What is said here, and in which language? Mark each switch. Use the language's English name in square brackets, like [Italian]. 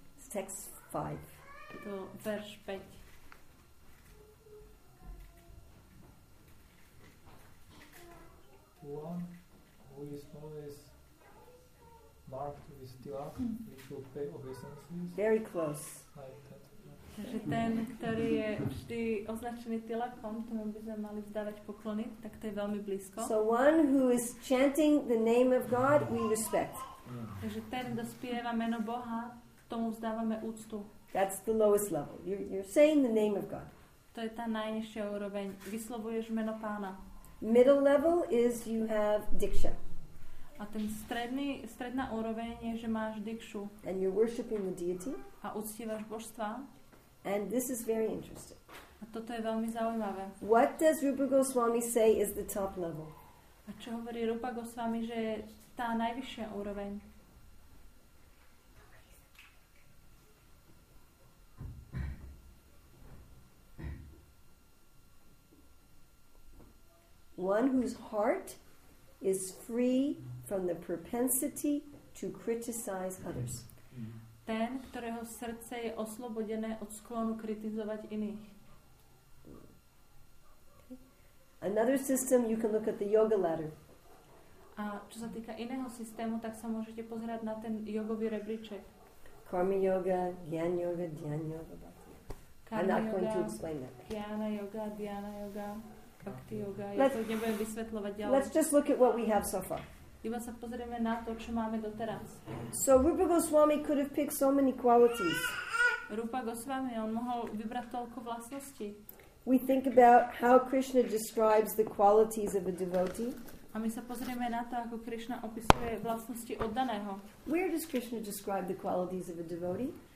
[English] Text 5. [Slovak] To verš 5. [English] One who is always marked with tilak, which will pay obeisances. Very close. [Slovak] Takže ten, ktorý je vždy označený tilakom, tomu by sme mali vzdávať poklony, tak to je veľmi blízko. [English] So one who is chanting the name of God, we respect. [Slovak] Takže ten, kto spieva meno Boha, tomu vzdávame úctu. [English] That's the lowest level. You're saying the name of God. [Slovak] To je tá najnižšia úroveň. Vyslovuješ meno Pána. [English] Middle level is you have diksha. [Slovak] A ten stredná úroveň je, že máš dikšu. [English] And you're worshiping the deity. [Slovak] A uctívaš božstva. [English] And this is very interesting. [Slovak] A toto je veľmi zaujímavé. [English] What does Rupa Goswami say is the top level? [Slovak] A čo hovorí Rupa Goswami, že je tá najvyššia úroveň? [English] One whose heart is free from the propensity to criticize others. [Slovak] Ten, ktorého srdce je oslobodené od sklonu kritizovať iných. [English] Another system, you can look at the yoga ladder. [Slovak] A čo sa týka iného systému, tak sa môžete pozerať na ten jogový rebríček. [English] Karma yoga, gyan yoga, dhyan yoga. I'm not going to explain that. Gyana yoga, dhyana yoga. Let's just look at what we have so far. [Slovak] Iba sa pozrieme na to, čo máme doteraz. [English] So Rupa Goswami could have picked so many qualities. [Slovak] Rupa Goswami, on mohol vybrať toľko vlastností. [English] We think about how Krishna describes the qualities of a devotee. [Slovak] A my sa pozrieme na to, ako Krishna opisuje vlastnosti oddaného. [English] Where does Krishna describe the qualities of a devotee?